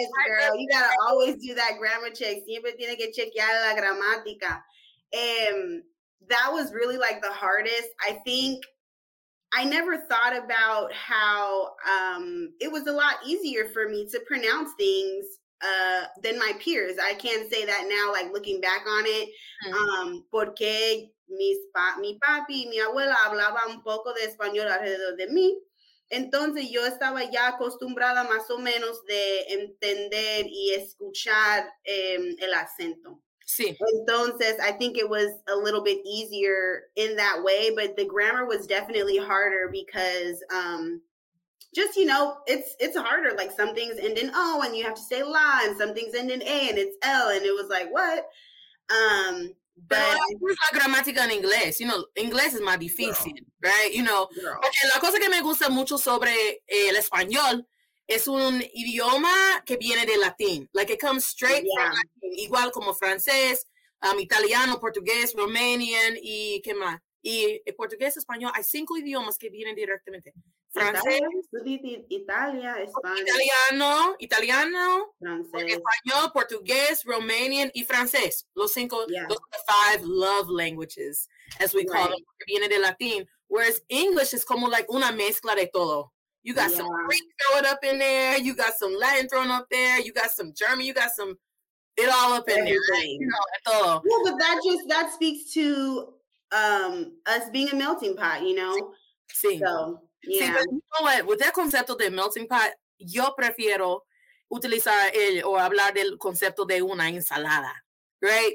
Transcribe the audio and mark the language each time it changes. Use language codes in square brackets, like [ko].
[en] Yes, girl, you gotta always do that grammar check. [es] Siempre tiene que chequear la gramática. [en] That was really like the hardest. I think I never thought about how it was a lot easier for me to pronounce things than my peers. I can say that now, like looking back on it. [es] Porque mi papi y mi abuela hablaban un poco de español alrededor de mí. Entonces yo estaba ya acostumbrada más o menos de entender y escuchar el acento. Sí. [en] Entonces, I think it was a little bit easier in that way, but the grammar was definitely harder because just, you know, it's harder. Like some things end in O and you have to say la, and some things end in A and it's L, and it was like, what? [es] But la gramática en inglés, you know, inglés es más difícil, right? You know, okay, la cosa que me gusta mucho sobre el español es un idioma que viene de latín. [en] Like, it comes straight from Latin. [es] Igual como francés, italiano, portugués, romanian, y qué más. Y el portugués, español, hay cinco idiomas que vienen directamente. Francés. Italia, español. Italiano. Francés. Español, portugués, romanian, y francés. Los cinco, [en] the five love languages, as we call them, [es] que viene de latín. [en] Whereas English is [es] como like una mezcla de todo. [en] You got some Greek thrown up in there. You got some Latin thrown up there. You got some German. You got some, it all up in everything. There. Right? Well, but that just, that speaks to us being a melting pot, you know? [es] Sí. [en] So, yeah. [es] Sí, [en] but you know what? With that [es] concepto de melting pot, yo prefiero utilizar el, o hablar del concepto de una ensalada, right?